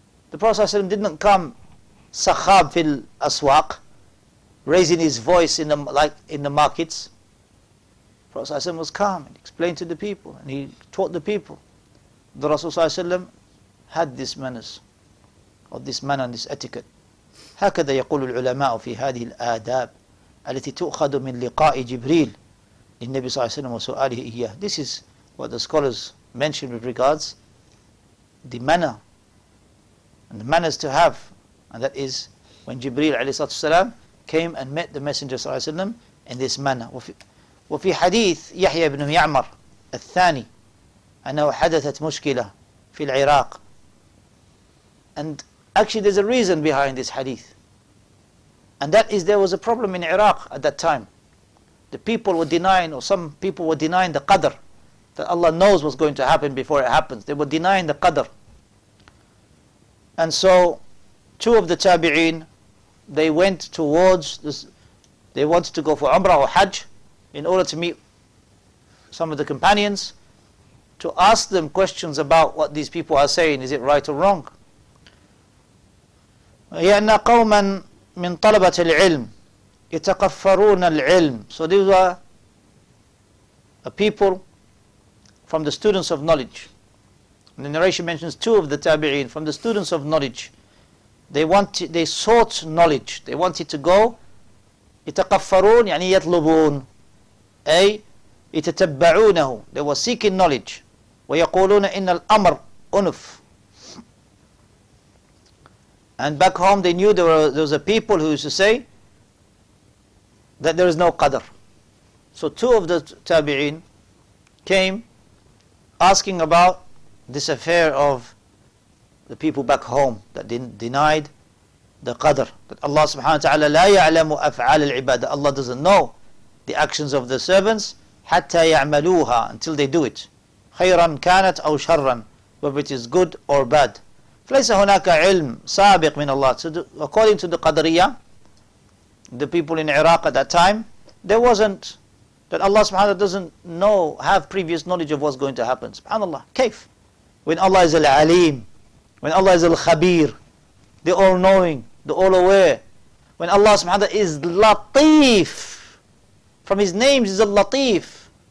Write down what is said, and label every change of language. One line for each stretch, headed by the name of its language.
English: The Prophet ﷺ did not come
Arabic: sakhab fil aswaq,
English: raising his voice in the markets. The Prophet ﷺ was calm and explained to the people and he taught the people. The Rasul ﷺ had this manners, or this manner and this etiquette.
Arabic: هكذا يقول العلماء في هذه الآداب التي تؤخذ من لقاء جبريل للنبي صلى الله عليه وسلم وسؤاله إياه.
English: This is what the scholars mentioned with regards the manner and the manners to have, and that is when جبريل
Arabic: عليه الصلاة والسلام
English: came and met the messenger
Arabic: صلى الله عليه وسلم
English: in this manner.
Arabic: وفي حديث يحيى بن يعمر الثاني أنه حدثت مشكلة في العراق.
English: And actually, there's a reason behind this hadith. And that is, there was a problem in Iraq at that time. The people were denying, or some people were denying the Qadr, that Allah knows what's going to happen before it happens. They were denying the Qadr. And so, two of the Tabi'een, they went towards, they wanted to go for Umrah or Hajj, in order to meet some of the companions, to ask them questions about what these people are saying. Is it right or wrong?
Arabic: هي أن قوما من طلبة العلم يتقفرون العلم.
English: So these were a people from the students of knowledge. And the narration mentions two of the tabi'in from the students of knowledge. They sought knowledge. They wanted to go.
Arabic: يتقفرون يعني يطلبون. أي يتتبعونه.
English: They were seeking knowledge.
Arabic: ويقولون إن الأمر أنف.
English: And back home, they knew there was a people who used to say that there is no Qadr. So two of the Tabi'een came asking about this affair of the people back home that denied the Qadr. That Allah subhanahu wa ta'ala
Arabic: la ya'lamu af'al al-ibad.
English: Allah doesn't know the actions of the servants
Arabic: hatta ya'maluha,
English: until they do it.
Arabic: Khayran kanat aw sharran,
English: whether it is good or bad.
Arabic: فليس هناك علم سابق من الله.
English: So according to the Qadriya, the people in Iraq at that time, there wasn't, that Allah subhanahu wa ta'ala doesn't know, have previous knowledge of what's going to happen. Subhanallah,
Arabic: كيف?
English: When Allah is al-Alim, when Allah is al-Khabir, the all-knowing, the all-aware, when Allah subhanahu wa ta'ala is Latif, from His names is al-Latif.